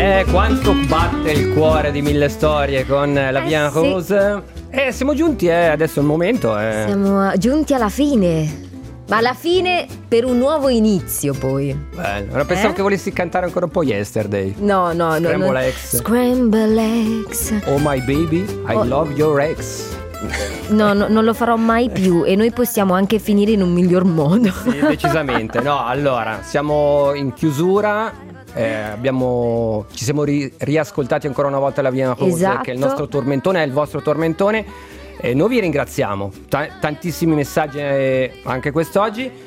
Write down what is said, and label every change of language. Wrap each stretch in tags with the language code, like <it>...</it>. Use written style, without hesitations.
<it>Quanto batte il cuore di mille storie con la Vian Rose. Siamo giunti, adesso è il momento. Siamo giunti alla fine. Ma alla fine per un nuovo inizio, poi. Bello. Ora pensavo che volessi cantare ancora un po' Yesterday. No.</it> <en>Scramble Eggs. Scramble Eggs. Oh my baby, I love your eggs.</en> <it>No, no, non lo farò mai più. E noi possiamo anche finire in un miglior modo. Sì, decisamente. No, allora, siamo in chiusura. Ci siamo riascoltati ancora una volta la Vian Rose, esatto. Che è il nostro tormentone, è il vostro tormentone. Noi vi ringraziamo, tantissimi messaggi anche quest'oggi.</it>